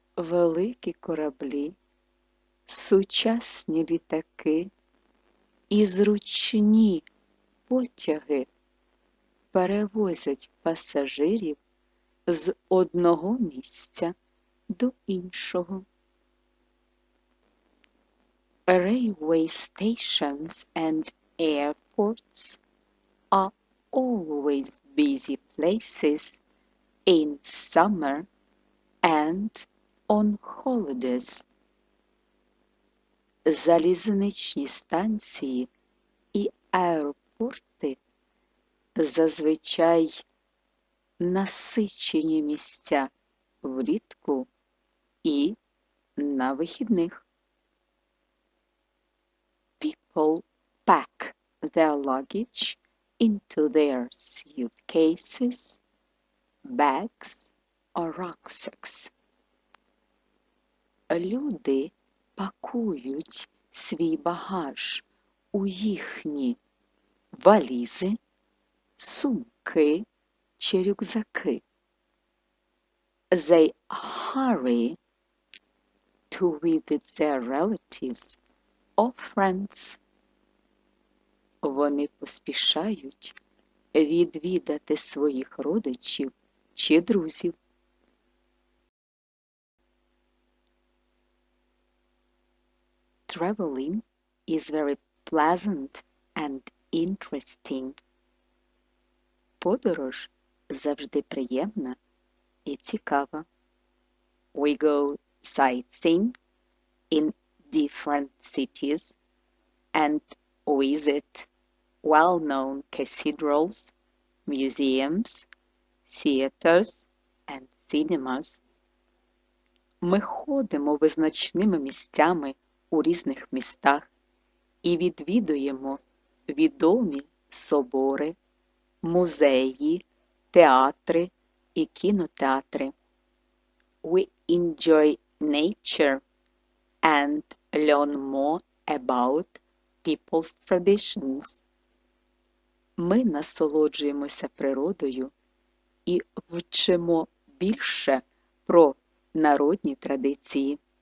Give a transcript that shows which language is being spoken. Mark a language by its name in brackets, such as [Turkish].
[Ukrainian] Великі кораблі, сучасні літаки і зручні потяги перевозять пасажирів з одного місця до іншого. [English] Railway stations and airports are always busy places in summer and on holidays. [Ukrainian] Залізничні станції і аеропорти зазвичай насичені місця влітку і на вихідних. [English] People pack their luggage into their suitcases, bags or rucksacks. [Ukrainian] Люди пакують свій багаж у їхні валізи, сумки чи рюкзаки. [English] They hurry to visit their relatives or friends. [Ukrainian] Вони поспішають відвідати своїх родичів чи друзів. [English] Traveling is very pleasant and interesting. [Ukrainian] Подорож завжди приємна і цікава. [English] We go sightseeing in different cities and visit well-known cathedrals, museums, theaters, and cinemas. [Ukrainian] Ми ходимо визначними місцями у різних містах і відвідуємо відомі собори, музеї, театри і кінотеатри. [English] We enjoy nature and learn more about people's traditions. [Ukrainian] Ми насолоджуємося природою і вчимо більше про народні традиції.